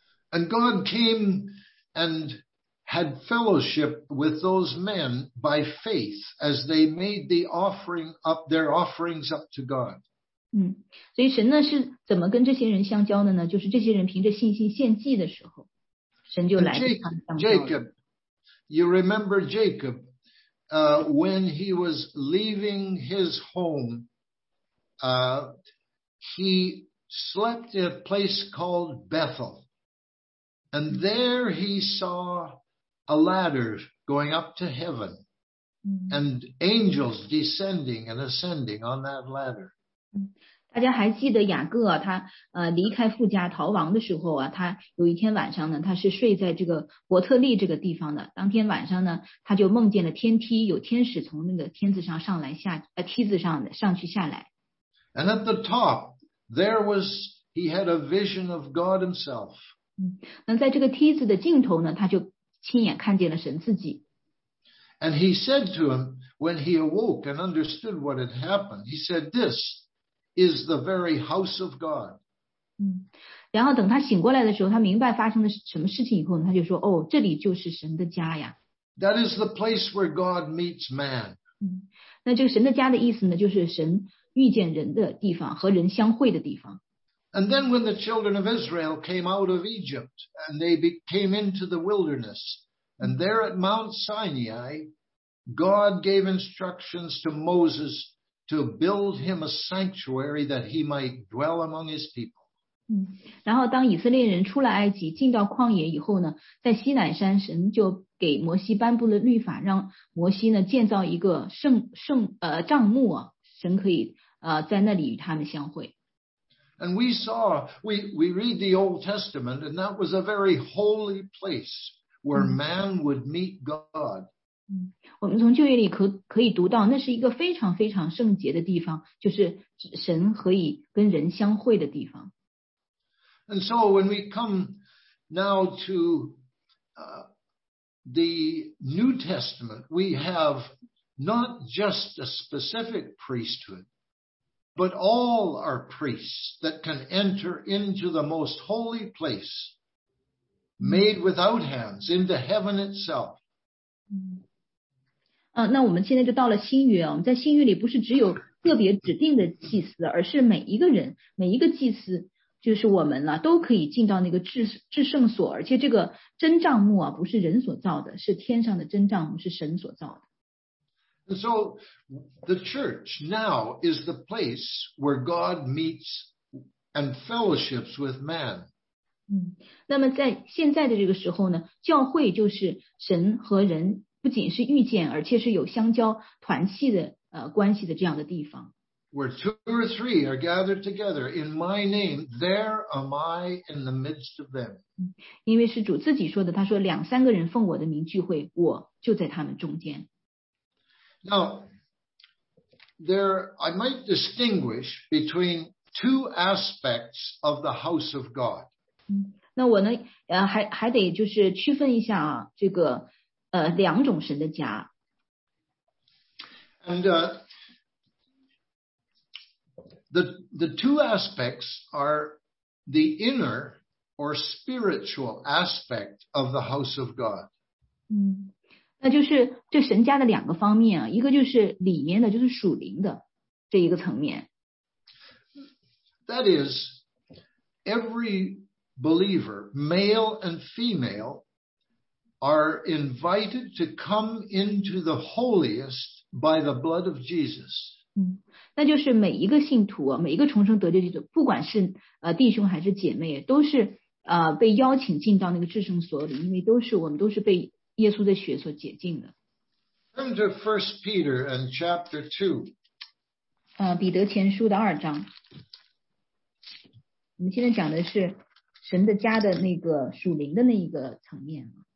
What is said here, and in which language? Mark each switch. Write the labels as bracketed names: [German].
[English] And God came and had fellowship with those men by faith as they made their offerings up to God. [Chinese] 所以神呢是怎么跟这些人相交的呢？就是这些人凭着信心献祭的时候，神就来跟他们相交。 [English] Jacob, you remember Jacob, when he was leaving his home, he slept at a place called Bethel. And there he saw a ladder going up to heaven, and angels descending and ascending on that ladder. [Chinese] 大家还记得雅各啊，他离开父家逃亡的时候啊，他有一天晚上呢，他是睡在这个伯特利这个地方的。当天晚上呢，他就梦见了天梯，有天使从那个天子上上来下梯子上上去下来。 [English] And at the top, there was he had a vision of God Himself. [Chinese] 那在这个梯子的尽头呢，他就亲眼看见了神自己。 [English] And he said to him, when he awoke and understood what had happened, he said, "This is the very house of God." [Chinese] 然后等他醒过来的时候，他明白发生了什么事情以后呢，他就说，哦，这里就是神的家呀。 [English] That is the place where God meets man. [Chinese] 那这个神的家的意思呢，就是神遇见人的地方，和人相会的地方。 [English] And then when the children of Israel came out of Egypt, and they came into the wilderness, and there at Mount Sinai, God gave instructions to Moses to build him a sanctuary that he might dwell among his people. [Chinese] 然后当以色列人出了埃及，进到旷野以后呢，在西乃山神就给摩西颁布了律法，让摩西呢建造一个帐幕啊，神可以在那里与他们相会。 [English] And we saw, we read the Old Testament, and that was a very holy place where man would meet God. [Chinese] 我们从旧约里可以读到，那是一个非常非常圣洁的地方，就是神可以跟人相会的地方。 [English] And so when we come now to the New Testament, we have not just a specific priesthood, but all are priests that can enter into the most holy place made without hands, into heaven itself. [Chinese] 那我们现在就到了新约，我们在新约里不是只有特别指定的祭司，而是每一个人，每一个祭司就是我们了，都可以进到那个至圣所，而且这个真帐幕不是人所造的，是天上的真帐幕，是神所造的。 [English] And so the church now is the place where God meets and fellowships with man. [Chinese] 那么在现在的这个时候呢，教会就是神和人不仅是遇见，而且是有相交团契的关系的这样的地方。 [English] where two or three are gathered together in my name, there am I in the midst of them. [Chinese] 因为是主自己说的，他说两三个人奉我的名聚会，我就在他们中间。 [English] Now, there I might distinguish between two aspects of the house of God. [Chinese] 那我呢，还得就是区分一下啊，这个两种神的家。 [English] And the two aspects are the inner or spiritual aspect of the house of God. [Chinese] 那就是这神家的两个方面啊，一个就是里面的，就是属灵的这一个层面。 [English] That is every believer, male and female, are invited to come into the holiest by the blood of Jesus. [Chinese] 那就是每一个信徒，每一个重生得救的弟兄，不管是弟兄还是姐妹，都是被邀请进到那个至圣所里，因为我们都是被耶稣的血所洁净的。 [English] Turn to 1 Peter and chapter 2. [Chinese] 彼得前书的二章。我们现在讲的是神的家的那个属灵的那一个层面。